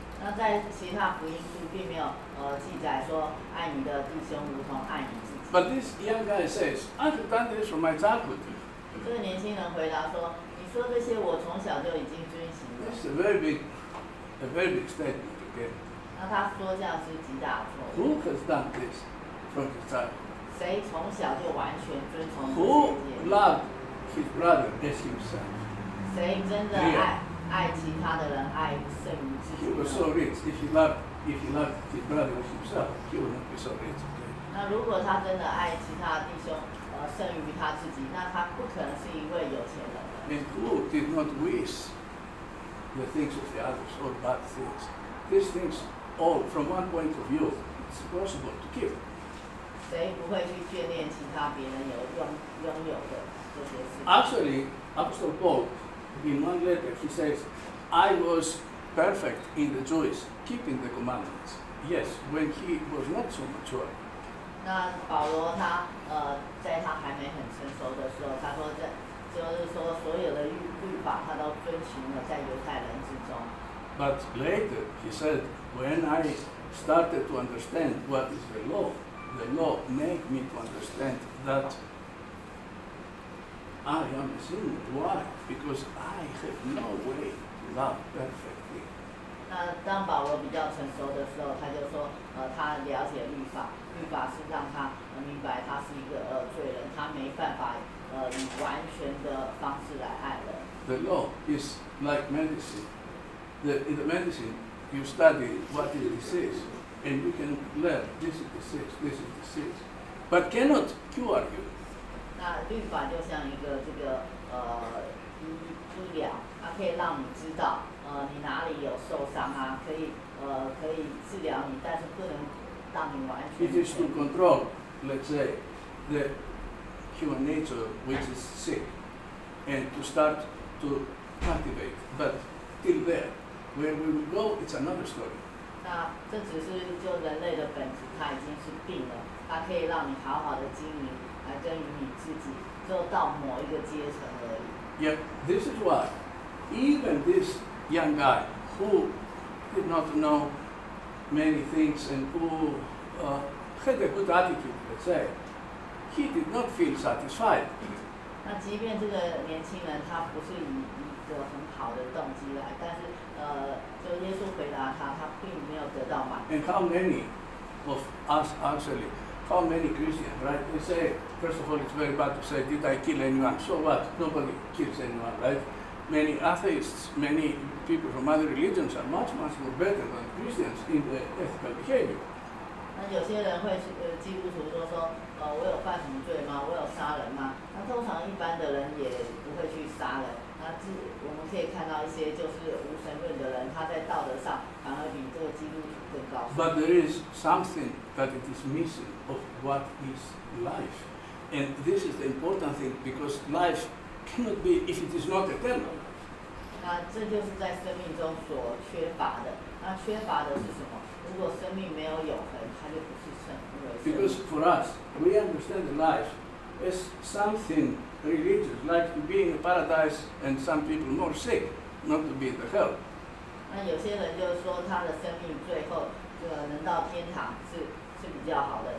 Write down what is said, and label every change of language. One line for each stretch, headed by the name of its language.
Chinese: 那在其他福音书并没有记载说爱你的弟兄如同爱你自己。
English: But this young guy says, I have done this from my childhood.
Chinese: 这个年轻人回答说，你说这些我从小就已经遵行了。
English: That's a very big statement, okay.
Chinese: 那他说这样是极大的错误。
English: Who has done this from his childhood?
Chinese: 谁从小就完全遵从
English: ？Who loved his brother as himself？
Chinese: 谁真的爱其他的人爱胜于自己？
English: He was so rich. If he loved his brother as himself, he would not be so rich.
Chinese: 那如果他真的爱其他弟兄胜于他自己，那他不可能是一位有钱人。
English: And who did not wish the things of the others or bad things? These things, all from one point of view, it's possible to give.
Chinese: 谁不会去眷恋其他别人有拥有的？
English: Actually, Apostle Paul, in one letter, he says, I was perfect in the Jewish, keeping the commandments. Yes, when he was not so mature.
Chinese: 那保罗他在他还没很成熟的时候，他说这就是说所有的律法他都遵循了在犹太人之中。
English: But later he said, when I started to understand what is the law made me to understand that I am a sinner. Why? Because I have no way to love perfectly.
Chinese: 那当保罗比较成熟的时候，他就说他了解律法。律法是让他明白他是一个罪人，他没办法以完全的方式来爱人。
English: The law is like medicine. In the medicine, you study what is disease, and you can learn this is disease, this is disease, but cannot cure you.
Chinese: 那律法就像一个这个医疗，它可以让你知道你哪里有受伤啊，可以治疗你，但是不能。
English: It is to control, let's say, the human nature which is sick, and to start to cultivate. But till there, where we will go, it's another story.
Chinese: 那这只是就人类的本质，它已经是病了。它可以让你好好的经营，来耕耘你自己，就到某一个阶层而已。
English: Yeah, this is why, even this young guy who did not know. Many things and who had a good attitude, let's say, he did not feel satisfied.
Chinese: 那即便这个年轻人他不是以一个很好的动机来，但是就耶稣回答他，他并没有得到满足。
English: And how many of us actually, how many Christians, right? They say, first of all, it's very bad to say, did I kill anyone? So what? Nobody kills anyone, right? Many atheists, many people from other religions are much, much more better than Christians in the ethical behavior.
Chinese: 那有些人会基督徒说说，我有犯什么罪吗？我有杀人吗？那通常一般的人也不会去杀人。那我们可以看到一些就是无神论的人，他在道德上反而比这个基督徒更高。
English: But there is something that it is missing of what is life, and this is the important thing because life. Cannot be if it is not eternal.
Chinese: 那这就是在生命中所缺乏的。那缺乏的是什么？如果生命没有永恒，它就不是生命。
English: Because for us, we understand life as something religious, like being in paradise, and some people more sick, not to be in the hell.
Chinese: 那有些人就说他的生命最后这个能到天堂是比较好的。